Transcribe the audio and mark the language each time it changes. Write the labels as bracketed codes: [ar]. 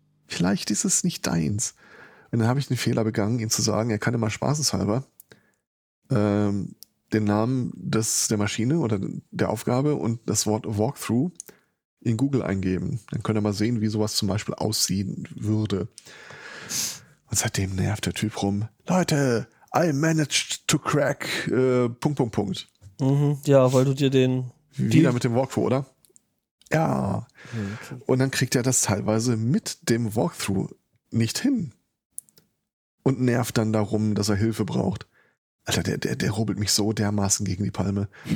[de] Vielleicht ist es nicht deins. Und dann habe ich den Fehler begangen, ihm zu sagen, er kann immer spaßeshalber den Namen der Maschine oder der Aufgabe und das Wort Walkthrough in Google eingeben. Dann könnt ihr mal sehen, wie sowas zum Beispiel aussehen würde. Und seitdem nervt der Typ rum. [en] Leute, I managed to crack .. [de] Mhm, ja, weil du dir den... Wieder mit dem Walkthrough, oder? Ja. Und dann kriegt er das teilweise mit dem Walkthrough nicht hin. Und nervt dann darum, dass er Hilfe braucht. Alter, der rubbelt mich so dermaßen gegen die Palme.